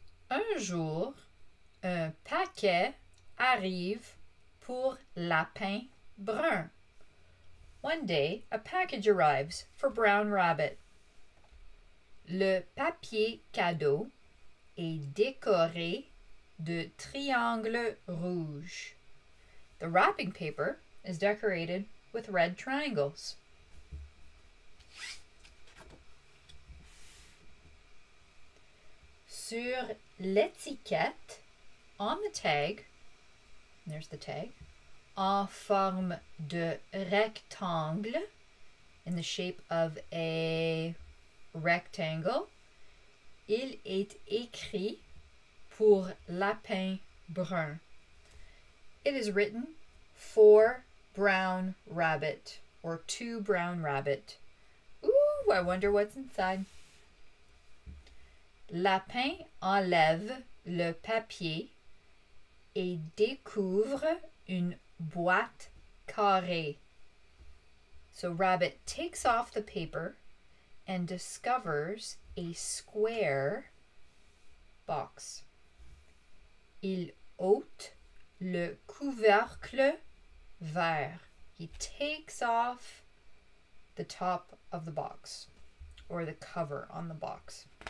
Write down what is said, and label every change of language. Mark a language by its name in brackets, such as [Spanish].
[French] Un jour, un paquet arrive pour Lapin Brun. [English] One day, a package arrives for Brown Rabbit. [French] Le papier cadeau est décoré de triangles rouges. [English] The wrapping paper is decorated with red triangles. [French] Sur l'étiquette, [English] on the tag, there's the tag, [French] en forme de rectangle, [English] in the shape of a rectangle, [French] il est écrit pour Lapin Brun. [English] It is written for Brown Rabbit, or to Brown Rabbit. Ooh, I wonder what's inside. [French] Lapin enlève le papier et découvre une boîte carrée. [English] So Rabbit takes off the paper and discovers a square box. [French] Il ôte le couvercle vert. [English] He takes off the top of the box, or the cover on the box.